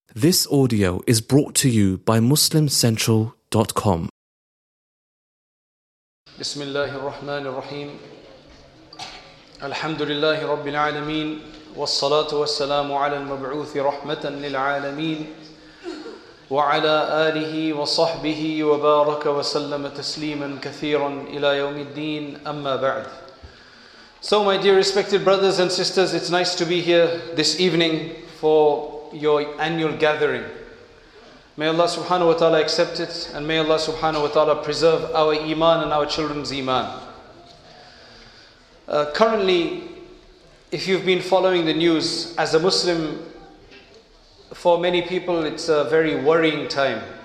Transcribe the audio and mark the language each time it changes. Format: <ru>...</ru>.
<en>This audio is brought to you by MuslimCentral.com.</en> <ar>بسم الله الرحمن الرحيم الحمد لله رب العالمين والصلاة والسلام على المبعوث رحمة للعالمين وعلى آله وصحبه وبارك وسلم تسليما كثيرا إلى يوم الدين أما بعد.</ar> <en>So my dear respected brothers and sisters, it's nice to be here this evening for your annual gathering. May Allah subhanahu wa ta'ala accept it, and may Allah subhanahu wa ta'ala preserve our iman and our children's iman. Currently, if you've been following the news, as a Muslim, for many people it's a very worrying time.</en>